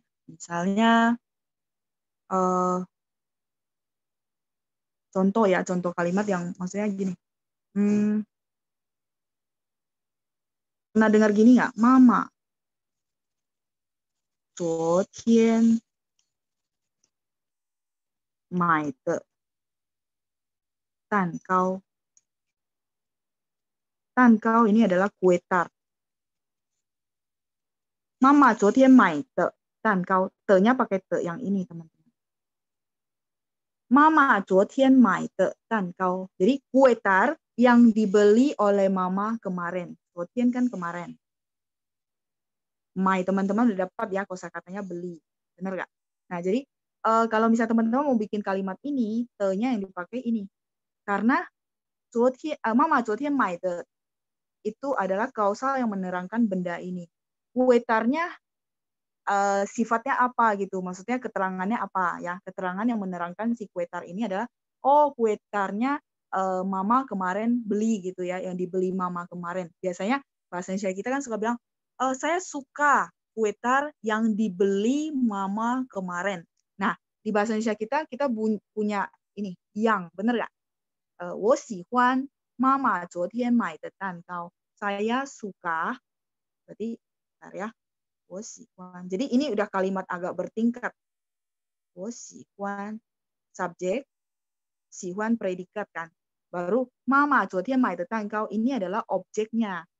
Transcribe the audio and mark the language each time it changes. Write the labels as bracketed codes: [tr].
[id] Misalnya, contoh ya, contoh kalimat yang maksudnya gini. Pernah dengar gini nggak? [zh] Mama, 昨天, my, 的, 蛋糕. [id] 蛋糕 ini adalah kue tart. Mama, [zh] 昨天, my, 的.蛋糕, [id] te-nya pakai te yang ini, teman-teman. [zh] Mama, 昨天 买 的 蛋糕. [id] Jadi, kue tar yang dibeli oleh mama kemarin. 昨天 kan kemarin. My, teman-teman udah dapat ya, kosa katanya beli. Benar nggak? Nah, jadi, kalau misalnya teman-teman mau bikin kalimat ini, te-nya yang dipakai ini. Karena, [zh] 昨天, mama, 昨天 买 的, [id] itu adalah kausal yang menerangkan benda ini. Kue tar-nya, sifatnya apa gitu, maksudnya keterangannya apa ya, keterangan yang menerangkan si kue tar ini adalah, oh kue tarnya mama kemarin beli gitu ya, yang dibeli mama kemarin. Biasanya bahasa Indonesia kita kan suka bilang, saya suka kue tar yang dibeli mama kemarin. Nah, di bahasa Indonesia kita punya ini, yang, bener gak? [zh] 我喜欢妈妈昨天买的蛋糕. [id] Saya suka, berarti, bentar ya, [zh] 我喜欢. [id] Jadi ini udah kalimat agak bertingkat. [zh] 我喜欢 [id] subjek, 喜欢 predikat kan. Baru mama [zh] 昨天买的蛋糕 [id] ini adalah objeknya.